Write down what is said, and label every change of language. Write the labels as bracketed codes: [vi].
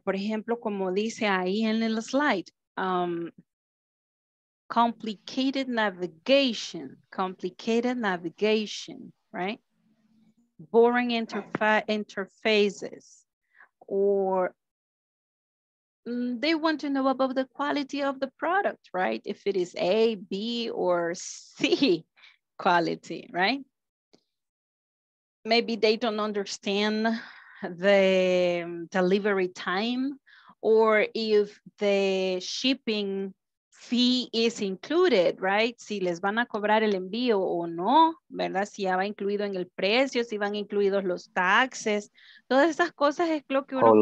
[es] Por ejemplo, como dice ahí en el slide, [en] complicated navigation, right? Boring interfaces, or they want to know about the quality of the product, right? If it is A, B, or C quality, right? Maybe they don't understand the delivery time, or if the shipping fee is included, right? [es] Si les van a cobrar el envío o no, ¿verdad? Si ya va incluido en el precio, si van incluidos los taxes, todas esas cosas es lo que uno Hola.